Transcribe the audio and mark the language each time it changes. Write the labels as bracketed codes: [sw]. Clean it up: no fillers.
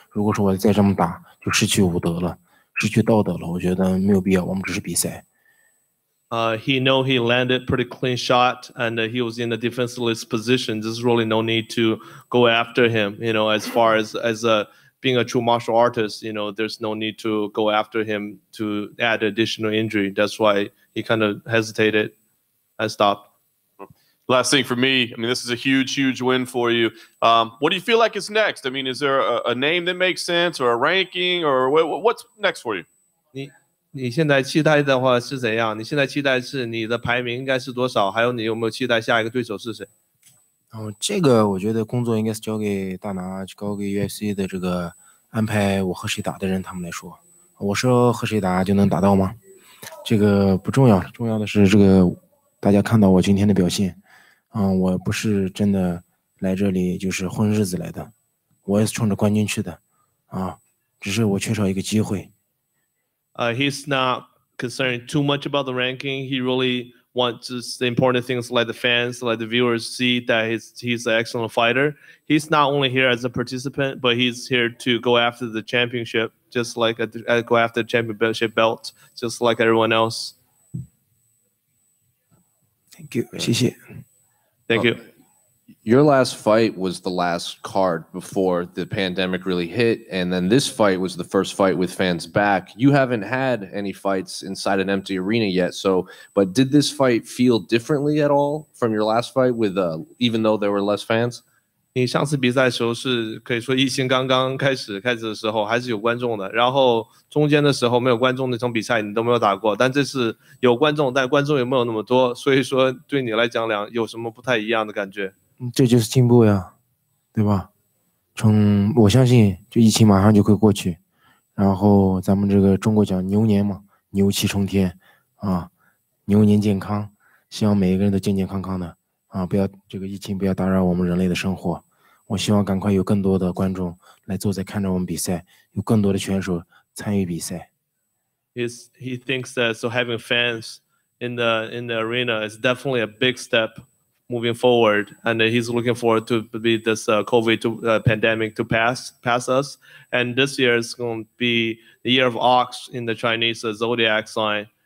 [zh] 如果说我再这么打，就失去武德了，失去道德了。我觉得没有必要，我们只是比赛。 [en] He know he landed pretty clean shot, and he was in a defenseless position. There's really no need to go after him. You know, as far as a being a true martial artist, you know, there's no need to go after him to add additional injury. That's why he kind of hesitated and stopped. Last thing for me, I mean, this is a huge, huge win for you. What do you feel like is next? I mean, is there a name that makes sense or a ranking or what's next for you? [zh] 你现在期待的话是怎样？你现在期待是你的排名应该是多少？还有你有没有期待下一个对手是谁？这个我觉得工作应该是交给大拿，交给 UFC 的这个安排我和谁打的人他们来说。我说和谁打就能打到吗？这个不重要，重要的是这个大家看到我今天的表现。我不是真的来这里就是混日子来的，我也是冲着冠军去的。只是我缺少一个机会。 [en] He's not concerned too much about the ranking. He really... want just the important things like the fans, like the viewers see that he's an excellent fighter. He's not only here as a participant, but he's here to go after the championship, just like go after the championship belt, just like everyone else. Thank you. [zh] 谢谢。 [en] Thank you. Your last fight was the last card before the pandemic really hit, and then this fight was the first fight with fans back. You haven't had any fights inside an empty arena yet, but did this fight feel differently at all from your last fight, with even though there were less fans? [zh] 你上次比赛的时候是可以说疫情刚刚开始的时候还是有观众的，然后中间的时候没有观众，那场比赛你都没有打过，但这次有观众，但观众也没有那么多，所以说对你来讲有什么不太一样的感觉？这就是进步呀，对吧？我相信就疫情马上就会过去，然后咱们这个中国讲牛年嘛，牛气冲天啊，牛年健康，希望每一个人都健健康康的啊，不要这个疫情不要打扰我们人类的生活。我希望赶快有更多的观众来坐在看着我们比赛，有更多的选手参与比赛。 [en] He thinks that so having fans in the arena is definitely a big step moving forward, and he's looking forward to be this COVID to, pandemic to pass us. And this year is going to be the year of ox in the Chinese zodiac sign.